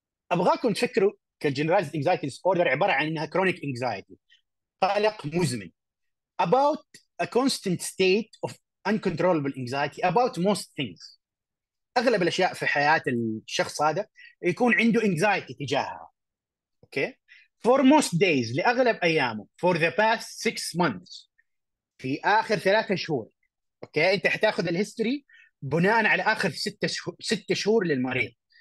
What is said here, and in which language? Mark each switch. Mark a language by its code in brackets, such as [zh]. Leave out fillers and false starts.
[ar] أبغاكم تفكروا كالgeneralized anxiety disorder عبارة عن إنها chronic anxiety، قلق مزمن. [en] About a constant state of uncontrollable anxiety about most things. [ar] اغلب الاشياء في حياه الشخص هذا يكون عنده انكزايتي تجاهها. اوكي؟ فور موست دايز، لاغلب ايامه، فور ذا باست 6 مانثس، في اخر 3 شهور. اوكي؟ انت حتاخذ الهيستوري بناء على اخر 6 شهور للمريض.